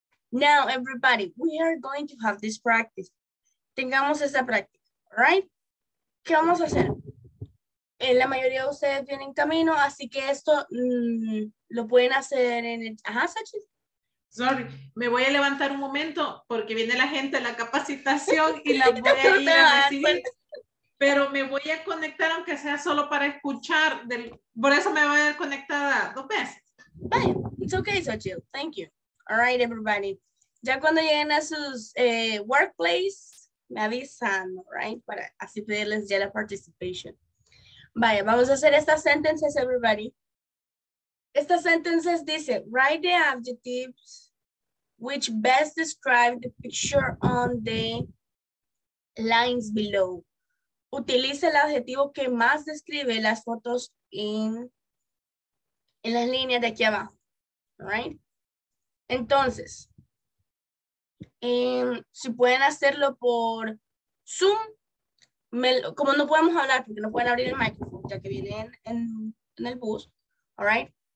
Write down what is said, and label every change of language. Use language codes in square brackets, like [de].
[en] Now, everybody, we are going to have this practice. [es] Tengamos esa práctica, right? ¿Qué vamos a hacer? La mayoría de ustedes vienen camino, así que esto lo pueden hacer en el... Ajá, Sachi. Sorry, me voy a levantar un momento porque viene la gente a la capacitación y la voy a ir a recibir. Pero me voy a conectar aunque sea solo para escuchar. Por eso me voy a conectar dos veces. [en] Bye. It's okay, Sachi. Thank you. All right, everybody. [es] Ya cuando lleguen a sus workplace, me avisan, right? Para así pedirles ya la participation. Vaya, vamos a hacer estas sentences, everybody. Estas sentences dice, [en] write the adjectives which best describe the picture on the lines below. [es] Utilice el adjetivo que más describe las fotos en las líneas de aquí abajo. Right? Entonces, si pueden hacerlo por Zoom, como no podemos hablar porque no pueden abrir el micrófono ya que vienen en el bus, all right?